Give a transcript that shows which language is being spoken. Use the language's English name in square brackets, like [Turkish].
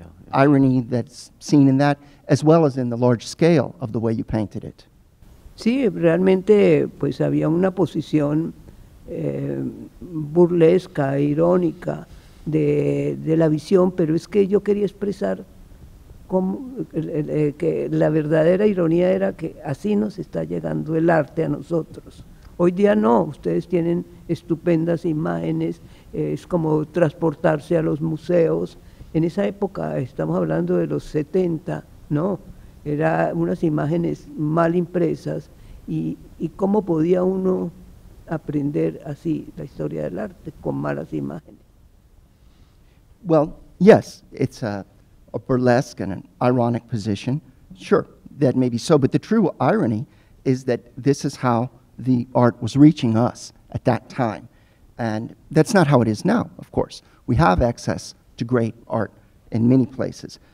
[English] Irony that's seen in that, as well as in the large scale of the way you painted it. [Spanish] Sí, realmente, pues había una posición burlesca, irónica de la visión, pero es que yo quería expresar cómo, que la verdadera ironía era que así nos está llegando el arte a nosotros. Hoy día no, ustedes tienen estupendas imágenes, es como transportarse a los museos. En esa época, estamos hablando de los 70, ¿no? Era unas imágenes mal impresas y cómo podía uno aprender así la historia del arte con malas imágenes. [English] Well, yes, it's a burlesque and an ironic position. Sure, that may be so, but the true irony is that this is how the art was reaching us at that time. And that's not how it is now, of course. We have access to great art in many places.